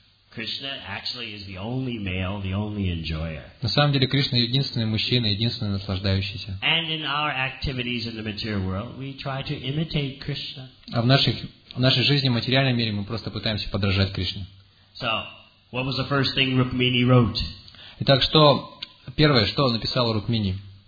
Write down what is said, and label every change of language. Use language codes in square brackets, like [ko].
[en] Krishna actually is the only male, the only enjoyer. [ru] На самом деле Кришна единственный мужчина, единственный наслаждающийся. [en] And in our activities in the material world, we try to imitate Krishna. [ru] А в наших В нашей жизни, в материальном мире, мы просто пытаемся подражать Кришне. [en] So, what was the first thing Rukmini wrote? [ru] Итак, что первое, что написала Рукмини?